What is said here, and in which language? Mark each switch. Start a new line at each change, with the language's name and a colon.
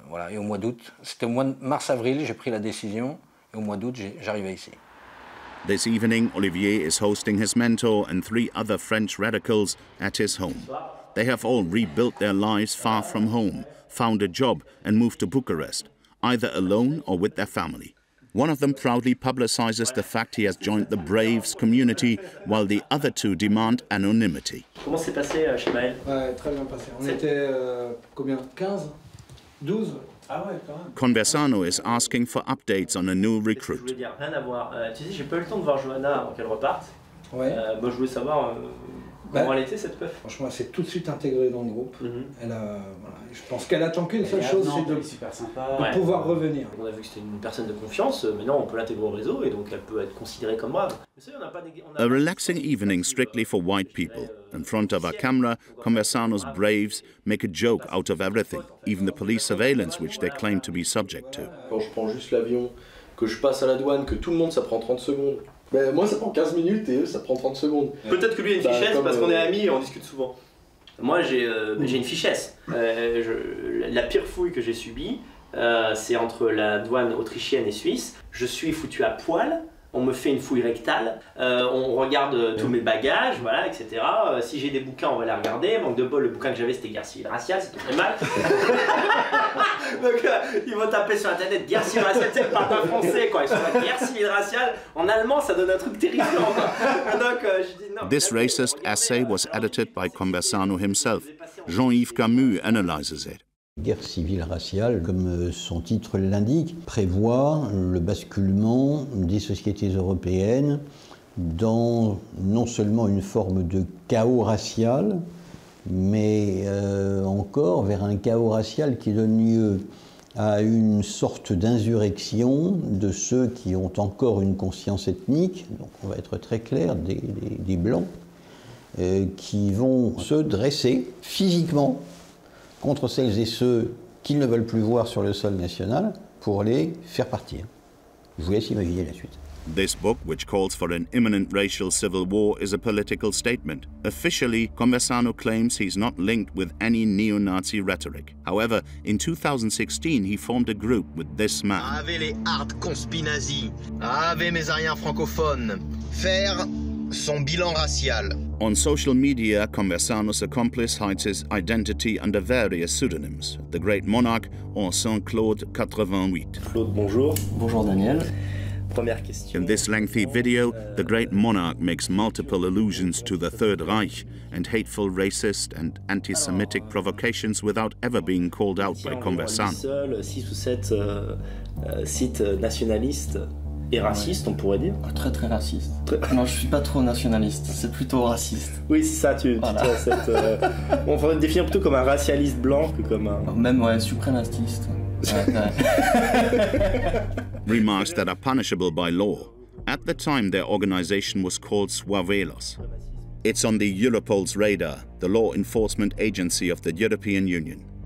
French: Et au mois d'août, c'était au mois de mars-avril, j'ai pris la décision, et au mois d'août, j'arrivais ici.
English: This evening, Olivier is hosting his mentor and three other French radicals at his home. They have all rebuilt their lives far from home, found a job and moved to Bucharest, either alone or with their family. One of them proudly publicizes the fact he has joined the Braves community, while the other two demand anonymity.
French: Comment s'est passé chez Maël? Ouais, très bien passé. On était combien? 15? 12? Ah ouais, quand même.
English: Conversano is asking for updates on a new recruit.
French: Je voulais dire, rien à voir. Tu sais, j'ai pas eu le temps de voir Johanna avant qu'elle reparte. Ouais. Moi, je voulais savoir comment elle était, cette peuf. Franchement, elle s'est tout de suite intégrée dans le groupe. Mm-hmm. Je pense qu'elle attend qu'une seule chose, c'est pouvoir revenir. On a vu que c'était une personne de confiance. Maintenant, on peut l'intégrer au réseau et donc elle peut être considérée comme brave.
English: A relaxing evening strictly for white people. In front of our camera, Conversano's Braves make a joke out of everything, even the police surveillance which they claim to be subject to.
French: Quand je prends juste l'avion, que je passe à la douane, que tout le monde, ça prend 30 secondes. Ben, moi, ça prend 15 minutes et eux, ça prend 30 secondes. Peut-être que lui a une fichesse parce qu'on est amis et on discute souvent. Moi, j'ai une fichesse. La pire fouille que j'ai subie, c'est entre la douane autrichienne et suisse. Je suis foutu à poil. On me fait une fouille rectale, on regarde tous mes bagages, voilà, etc. Si j'ai des bouquins, on va les regarder. Manque de bol, le bouquin que j'avais, c'était Guerre civile raciale, c'était très mal. Donc, ils vont taper sur internet Guerre civile raciale, c'est pas un français, quoi. Ils sont là, Guerre civile raciale, en allemand, ça donne un truc terrifiant, quoi. Donc, je dis non.
English: This racist essay was edited by Conversano himself. Jean-Yves Camus analyzes it.
French: Guerre civile raciale, comme son titre l'indique, prévoit le basculement des sociétés européennes dans non seulement une forme de chaos racial, mais encore vers un chaos racial qui donne lieu à une sorte d'insurrection de ceux qui ont encore une conscience ethnique, donc on va être très clair, des blancs, qui vont se dresser physiquement contre celles et ceux qu'ils ne veulent plus voir sur le sol national pour les faire partir. Je vous laisse imaginer la suite.
English: This book, which calls for an imminent racial civil war, is a political statement. Officially, Conversano claims he's not linked with any neo-Nazi rhetoric. However, in 2016, he formed a group with this man.
French: Ave les hard conspi-nazi. Ave mes aryens francophones. Faire son bilan racial.
English: On social media, Conversano's accomplice hides his identity under various pseudonyms. The Great Monarch or Saint-Claude 88.
French: Claude, bonjour. Bonjour, Daniel.
English: In this lengthy video, the Great Monarch makes multiple allusions to the Third Reich and hateful racist and anti-Semitic provocations without ever being called out by Conversano.
French: Six ou sept sites nationalistes et racistes, on pourrait dire. Très très raciste. Non, je suis pas trop nationaliste. C'est plutôt raciste. Oui, c'est ça. On va le définir plutôt comme un racialiste blanc que comme un. Même ouais, suprémaciste.
English: Remarks that are punishable by law. At the time, their organization was called Suavelos. It's on the Europol's radar, the law enforcement agency of the European Union.